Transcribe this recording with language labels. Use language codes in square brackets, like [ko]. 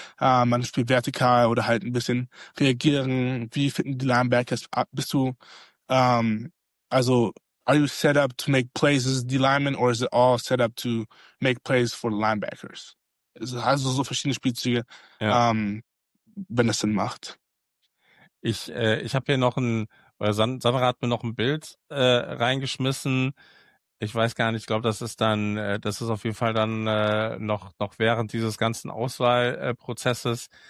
[de] Man spielt vertikal oder halt ein bisschen reagieren. Wie finden die Linebackers ab? Bist du, [en] are you set up to make plays as the lineman or is it all set up to make plays for the linebackers? [de] Also so verschiedene Spielzüge, wenn das Sinn macht. Ich habe hier noch ein, oder Sandra hat mir noch ein Bild reingeschmissen. Ich weiß gar nicht, ich glaube, das ist auf jeden Fall dann noch während dieses ganzen Auswahlprozesses.